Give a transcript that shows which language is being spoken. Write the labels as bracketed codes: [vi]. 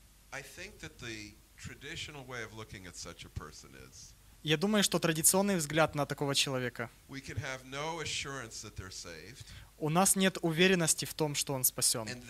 [en] I think that the traditional way of looking at such a person is. [ru] Я думаю, что традиционный взгляд на такого человека. [en] We can have no assurance that they're saved. [ru] У нас нет уверенности в том, что он спасен.